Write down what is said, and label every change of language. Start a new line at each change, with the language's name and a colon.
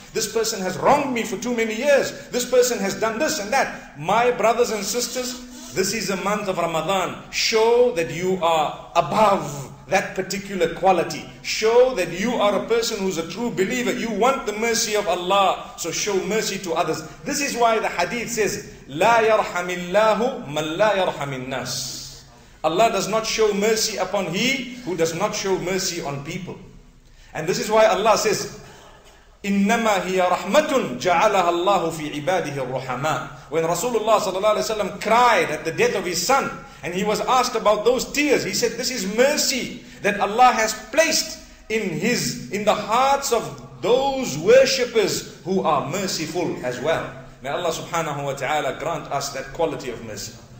English: This person has wronged me for too many years. This person has done this and that. My brothers and sisters, this is a month of Ramadan. Show that you are above that particular quality. Show that you are a person who's a true believer. You want the mercy of Allah. So show mercy to others. This is why the hadith says,
Arabic: لَا يَرْحَمِ اللَّهُ مَنْ لَا يَرْحَمِ النَّاسِ.
English: Allah does not show mercy upon he who does not show mercy on people. And this is why Allah says,
Arabic: إِنَّمَا هِيَ رَحْمَةٌ جَعَلَهَا اللَّهُ فِي عِبَادِهِ الرَّحَمَانِ.
English: When Rasulullah sallallahu alaihi wasallam cried at the death of his son, and he was asked about those tears, he said, this is mercy that Allah has placed in his, in the hearts of those worshippers who are merciful as well. May Allah subhanahu wa ta'ala grant us that quality of mercy.